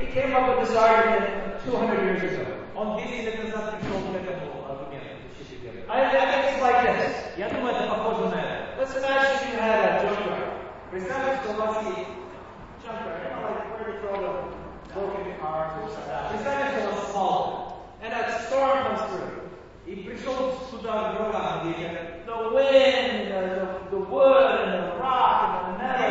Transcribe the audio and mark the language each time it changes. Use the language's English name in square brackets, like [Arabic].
[English] He came up with this argument 200 years ago. [Russian] Он 200 лет назад пришел к этому аргументу. [English] I think it's like this. [Russian] Я думаю, это похоже на это. [English] Let's imagine you had a junk car. [Russian] Представьте, что у вас есть [English] junk car. You know, like where you throw the broken cars or something. [Russian] Представьте, что у вас fault. [English] And a storm comes through. [Russian] И пришел сюда ураган где-то. [English] The wind, the wood, and the rock, and the metal.